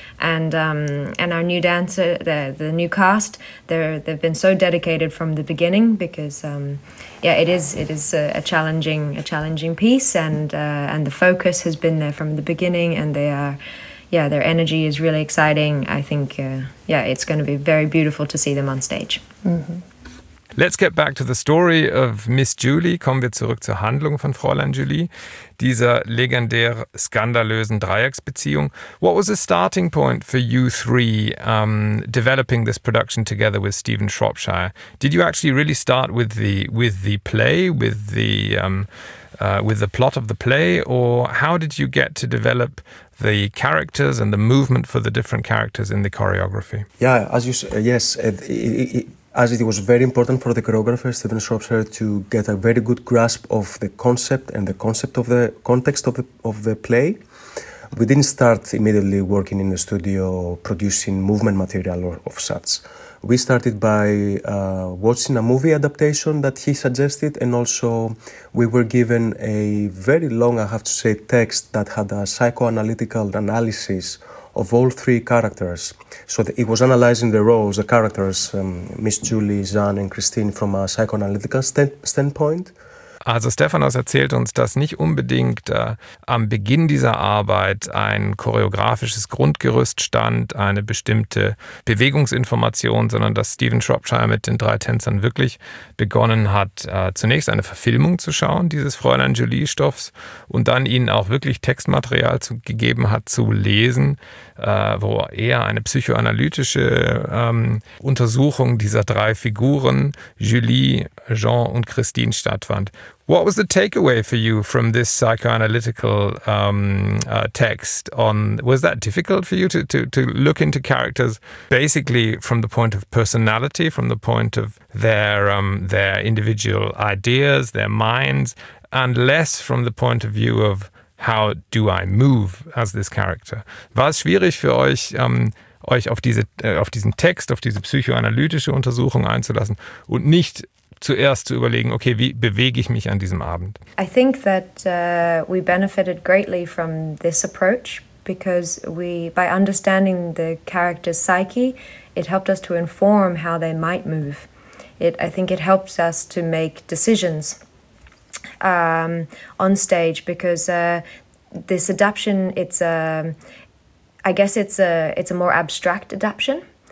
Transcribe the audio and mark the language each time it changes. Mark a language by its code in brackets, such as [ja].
[en] And our new dancer, the new cast, they've been so dedicated from the beginning because, it is a challenging piece, and the focus has been there from the beginning, and their energy is really exciting. I think, it's going to be very beautiful to see them on stage. Mm-hmm. Let's get back to the story of Miss Julie. [de] Kommen wir zurück zur Handlung von Fräulein Julie, dieser legendär skandalösen Dreiecksbeziehung. [en] What was the starting point for you three developing this production together with Stephen Shropshire? Did you actually really start with the play, with the plot of the play, or how did you get to develop the characters and the movement for the different characters in the choreography? Yeah, as you said, yes, as it was very important for the choreographer, Stephen Shropshire, to get a very good grasp of the concept and the concept of the context of the play. We didn't start immediately working in the studio producing movement material or of such. We started by watching a movie adaptation that he suggested, and also we were given a very long, I have to say, text that had a psychoanalytical analysis of all three characters. So it was analyzing the roles, the characters, Miss Julie, Jeanne and Christine, from a psychoanalytical standpoint. [de] Also Stefanos erzählt uns, dass nicht unbedingt am Beginn dieser Arbeit ein choreografisches Grundgerüst stand, eine bestimmte Bewegungsinformation, sondern dass Stephen Shropshire mit den drei Tänzern wirklich begonnen hat, zunächst eine Verfilmung zu schauen, dieses Fräulein Julie-Stoffs, und dann ihnen auch wirklich Textmaterial gegeben hat zu lesen, wo er eine psychoanalytische Untersuchung dieser drei Figuren, Julie, Jean und Christine, stattfand. [en] What was the takeaway for you from this psychoanalytical text? Was that difficult for you to look into characters basically from the point of personality, from the point of their individual ideas, their minds, and less from the point of view of how do I move as this character? [de] War es schwierig für euch, euch auf diesen Text, auf diese psychoanalytische Untersuchung einzulassen und nicht zuerst zu überlegen, okay, wie bewege ich mich an diesem Abend? [en] I think that we benefited greatly from this approach because we, by understanding the character's psyche, it helped us to inform how they might move. I think it helps us to make decisions on stage because this adaption, it's a more abstract adaption.